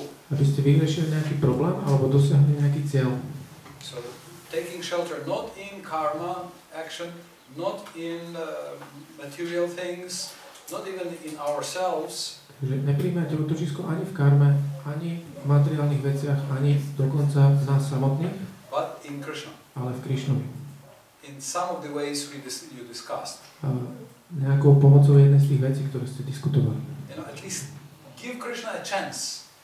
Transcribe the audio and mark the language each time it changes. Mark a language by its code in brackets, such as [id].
[sk] Vyriešil nejaký problém alebo dosiahli nejaký cieľ. [en] So taking shelter not in karma action, not in material things, not even in ourselves. [sk] Takže neprijímajte útočisko ani v karme, ani v materiálnych veciach, ani dokonca v nás samotných. [en] But in Krishna. [sk] Ale v Krišnovi. [en] In some of the ways you discussed. [sk] Nejakou pomocou jednej z tých vecí, ktoré ste diskutovali. [en] You know, at least give Krishna a chance.